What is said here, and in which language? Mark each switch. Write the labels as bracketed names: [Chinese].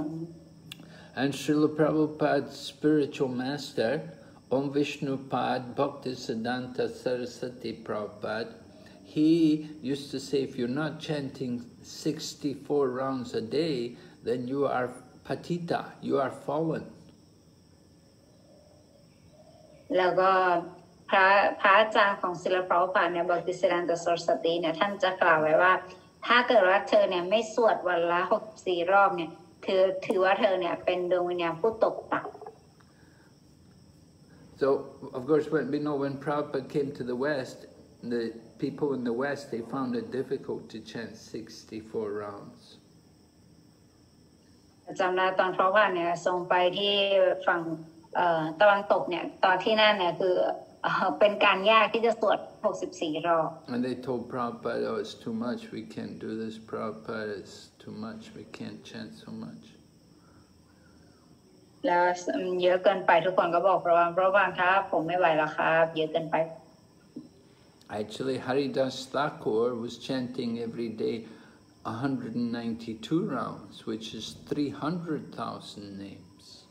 [English] อ And Srila Prabhupada's spiritual master Om Vishnupad Bhakti Siddhanta Sarasati Prabhupada He used to say, if you're not chanting 64 rounds a day, then you are patita, you are fallen. [Thai] แล้วก็พระอาจารย์ของศิลปราภาเนี่ยบอกที่สิรันตสรสติเนี่ยท่านจะกล่าวไว้ว่าถ้าเกิดว่าเธอเนี่ยไม่สวดวันละ64รอบเนี่ยถือว่าเธอเนี่ยเป็นดวงวิญญาณผู้ตกต่ำ [English] So, of course, when we know when Prabhupada came to the West, the people in the West, they found it difficult to chant 64 rounds. [Thai] จำได้ตอนพระว่าเนี่ยทรงไปที่ฝั่งตะวันตกเนี่ยตอนที่นั่นเนี่ยคือเป็นการยากที่จะสวด64รอบ [English] And they told Prabhupada, oh, it's too much, we can't do this, Prabhupada, it's too much, we can't chant so much. [Thai] แล้วเยอะเกินไปทุกคนก็บอกพระว่าครับผมไม่ไหวแล้วครับเยอะเกินไป [English] Actually, Haridas Thakur was chanting every day 192 rounds, which is 300,000 names.